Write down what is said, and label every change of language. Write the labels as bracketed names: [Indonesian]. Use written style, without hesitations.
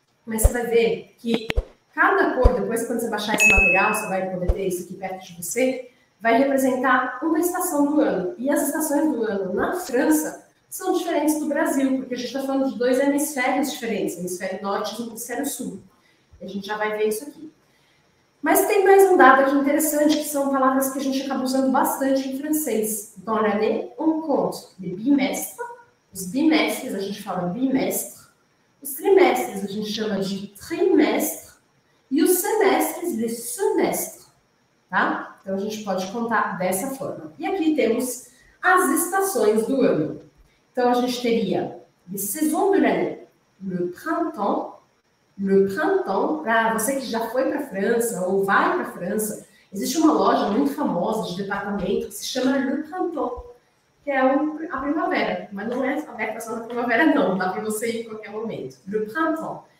[Portuguese] Mas você vai ver que cada cor, depois, quando você baixar esse material, você vai poder ter isso aqui perto de você, vai representar uma estação do ano. E as estações do ano na França são diferentes do Brasil, porque a gente está falando de dois hemisférios diferentes, hemisfério norte e hemisfério sul. E a gente já vai ver isso aqui. Mas tem mais um dado aqui interessante, que são palavras que a gente acaba usando bastante em francês. [French] Bonne année, on compte les bimestres. [Portuguese] Os bimestres a gente fala bimestre. Os trimestres a gente chama de trimestre. E os semestres, les semestres. Tá? Então a gente pode contar dessa forma. E aqui temos as estações do ano. Então a gente teria [French] les saisons de l'année, le printemps, [Portuguese] para você que já foi para a França ou vai para a França, existe uma loja muito famosa de departamento que se chama Le Printemps, que é a primavera, mas não é aberta só na primavera, não, dá para você ir em qualquer momento. Le Printemps.